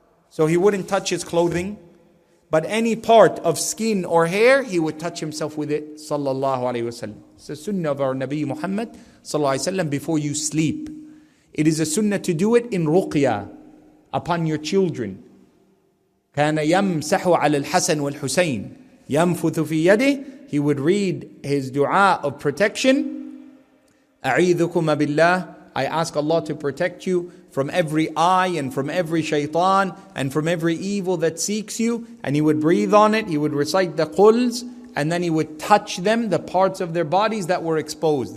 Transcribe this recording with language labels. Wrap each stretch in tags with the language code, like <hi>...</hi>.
<en>So he wouldn't touch his clothing, but any part of skin or hair, he would touch himself with it, sallallahu alayhi wasallam. It's the sunnah of our Nabi Muhammad, sallallahu alayhi wasallam, before you sleep. It is a sunnah to do it in ruqya, upon your children.</en> <ar>كان يمسح على الحسن والحسين ينفث في يده.</ar> <en>He would read his dua of protection.</en> <ar>أعيذكما بالله.</ar> <en>I ask Allah to protect you from every eye and from every shaitan and from every evil that seeks you. And he would breathe on it. He would recite the quls. And then he would touch them, the parts of their bodies that were exposed.</en>